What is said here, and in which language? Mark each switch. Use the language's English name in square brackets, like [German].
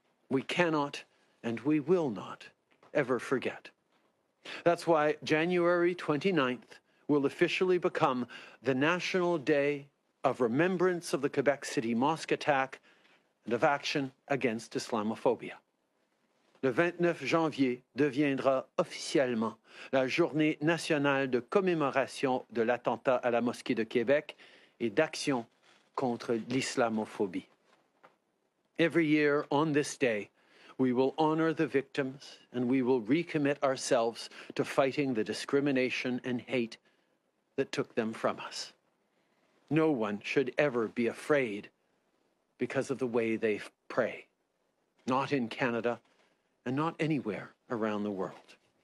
[English] We cannot and we will not ever forget. That's why January 29th will officially become the National Day of Remembrance of the Quebec City Mosque Attack and of Action Against Islamophobia. [French] Le 29 janvier deviendra officiellement la Journée nationale de commémoration de l'attentat à la mosquée de Québec et d'action contre l'islamophobie. [English] Every year on this day, we will honor the victims and we will recommit ourselves to fighting the discrimination and hate that took them from us. No one should ever be afraid because of the way they pray, not in Canada, and not anywhere around the world.